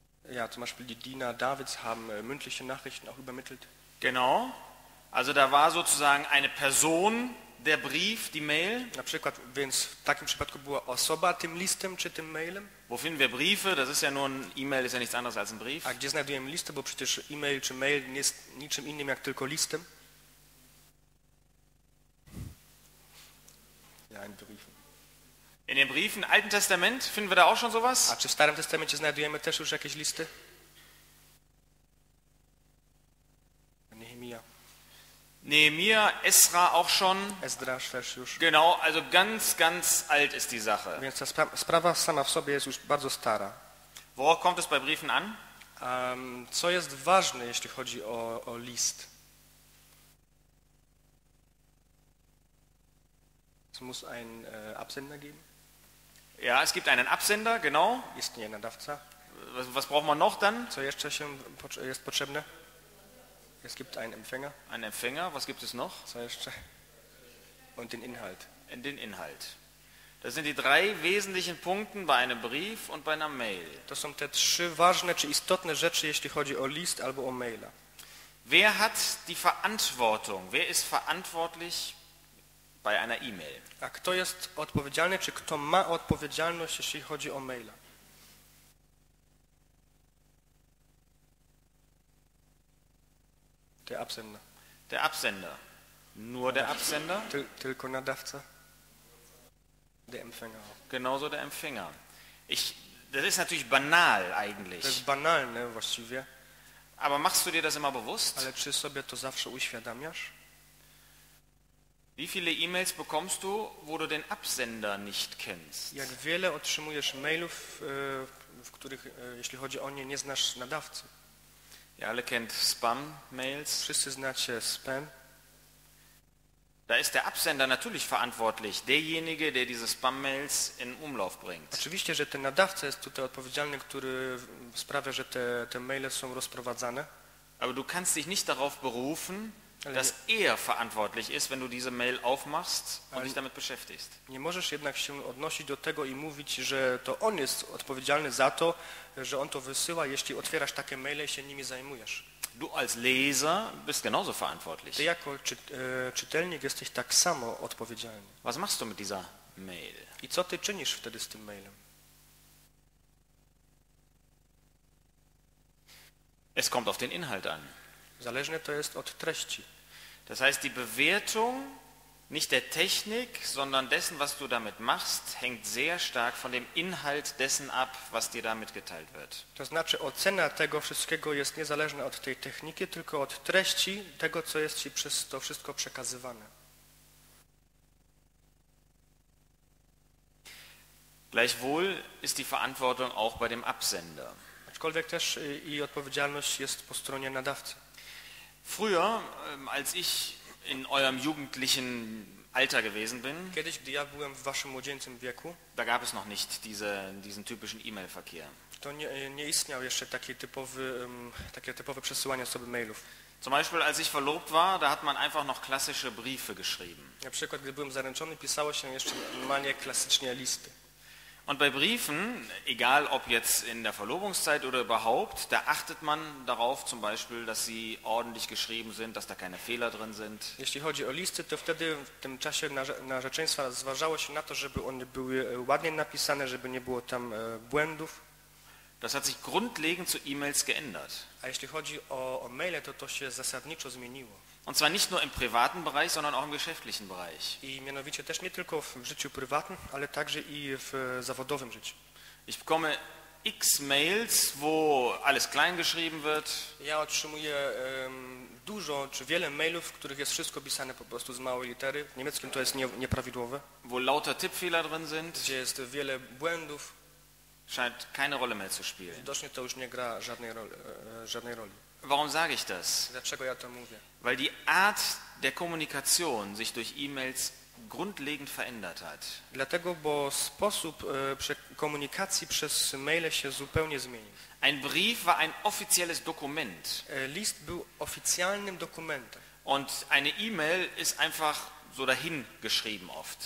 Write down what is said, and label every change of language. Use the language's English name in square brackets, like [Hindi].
[German] Ja, zum Beispiel die Diener Davids haben mündliche Nachrichten auch übermittelt. Genau. Also da war sozusagen eine Person, der Brief, die Mail. [Polish] Na przykład, więc w takim przypadku była osoba tym listem czy tym mailem. [German] Wo finden wir Briefe? Das ist ja nur ein E-Mail, ist ja nichts anderes als ein Brief. [Polish] A gdzie znajdujemy listę? Bo przecież e-mail czy mail nie jest niczym innym jak tylko listem. [German] Ja, in Briefen. In den Briefen, Alten Testament, finden wir da auch schon sowas? [Polish] A czy w Starym Testamencie znajdujemy też już jakieś listy? [German] Nehemia, Esra auch schon. [Polish] Esdra, też już. [German] Genau, also ganz, ganz alt ist die Sache. [Polish] Więc ta sprawa sama w sobie jest już bardzo stara. [German] Worauf kommt es bei Briefen an? [Polish] Co jest ważne, jeśli chodzi o list? [German] Es muss einen Absender geben. Ja, es gibt einen Absender, genau. [Polish] Ist nie nadawca. [German] Was braucht man noch dann? [Polish] Co jeszcze się jest potrzebne? [German] Es gibt einen Empfänger. Einen Empfänger, was gibt es noch? Und den Inhalt. Und den Inhalt. Das sind die drei wesentlichen Punkte bei einem Brief und bei einer Mail. [Polish] To są te trzy ważne czy istotne rzeczy, jeśli chodzi o list albo o maila. [German] Wer hat die Verantwortung? Wer ist verantwortlich bei einer E-Mail? [Polish] A kto jest odpowiedzialny, czy kto ma odpowiedzialność, jeśli chodzi o maila? [German] Der Absender. Der Absender. Nur der Absender? [Polish] Tylko nadawca. [German] Der Empfänger. Genauso der Empfänger. Das ist natürlich banal eigentlich. Das ist banal, ne, właściwie. Aber machst du dir das immer bewusst? [Polish] Ale czy sobie to zawsze uświadamiasz? [German] Wie viele E-Mails bekommst du, wo du den Absender nicht kennst? [Polish] Jak wiele otrzymujesz mailów, w których, jeśli chodzi o nie, nie znasz nadawcy? [German] Ihr alle kennt Spam-Mails. [Polish] Wszyscy znacie Spam. [German] Da ist der Absender natürlich verantwortlich, derjenige, der diese Spam-Mails in Umlauf bringt. [Polish] Oczywiście, że ten nadawca jest tutaj odpowiedzialny, który sprawia, że te maile są rozprowadzane. [German] Aber du kannst dich nicht darauf berufen, dass er verantwortlich ist, wenn du diese Mail aufmachst und dich damit beschäftigst. [Polish] Nie możesz jednak się odnosić do tego i mówić, że to on jest odpowiedzialny za to, że on to wysyła, jeśli otwierasz takie maile i się nimi zajmujesz. [German] Du als Leser bist genauso verantwortlich. [Polish] Ty jako czytelnik jesteś tak samo odpowiedzialny. [German] Was machst du mit dieser Mail? [Polish] I co ty czynisz wtedy z tym mailem? [German] Es kommt auf den Inhalt an. [Polish] Zależne to jest od treści. [German] Das heißt, die Bewertung nicht der Technik, sondern dessen, was du damit machst, hängt sehr stark von dem Inhalt dessen ab, was dir damit geteilt wird. [Polish] To znaczy, ocena tego wszystkiego jest niezależna od tej techniki, tylko od treści tego, co jest ci przez to wszystko przekazywane. [German] Gleichwohl ist die Verantwortung auch bei dem Absender. [Polish] Aczkolwiek też i odpowiedzialność jest po stronie nadawcy. [German] Früher, als ich in eurem jugendlichen Alter gewesen bin, [Polish] kiedyś, gdy ja byłem w waszym młodzieńczym wieku, [German] da gab es noch nicht diesen typischen E-Mail-Verkehr. [Polish] To nie istniał jeszcze takie typowe przesyłanie osoby mailów. [German] Zum Beispiel, als ich verlobt war, da hat man einfach noch klassische Briefe geschrieben. [Polish] Na przykład, gdy byłem zaręczony, pisało się jeszcze normalnie klasycznie listy. [German] Und bei Briefen, egal ob jetzt in der Verlobungszeit oder überhaupt, da achtet man darauf zum Beispiel, dass sie ordentlich geschrieben sind, dass da keine Fehler drin sind. [Polish] Jeśli chodzi o listy, to wtedy w tym czasie narzeczeństwa zważało się na to, żeby one były ładnie napisane, żeby nie było tam błędów. [German] Das hat sich grundlegend zu E-Mails geändert. [Polish] A jeśli chodzi o maile, to się zasadniczo zmieniło. [German] Und zwar nicht nur im privaten Bereich, sondern auch im geschäftlichen Bereich. [Polish] I mianowicie też nie tylko w życiu prywatnym, ale także i w zawodowym życiu. [German] Ich bekomme x Mails, wo alles klein geschrieben wird. [Polish] Ja otrzymuję dużo czy wiele mailów, w których jest wszystko pisane po prostu z małej litery. W niemieckim to jest nieprawidłowe. [German] Wo lauter Tippfehler drin sind. [Polish] Gdzie jest wiele błędów. [German] Scheint keine Rolle mehr zu spielen. [Polish] Widocznie to już nie gra żadnej roli. [German] Warum sage ich das? [Polish] Dlaczego ja to mówię? [German] Weil die Art der Kommunikation sich durch E-Mails grundlegend verändert hat. [Polish] Dlatego, bo sposób komunikacji przez maile się zupełnie zmienił. [German] Ein Brief war ein offizielles Dokument. [Polish] List był oficjalnym dokumentem. [German] Und eine E-Mail ist einfach so dahin geschrieben oft.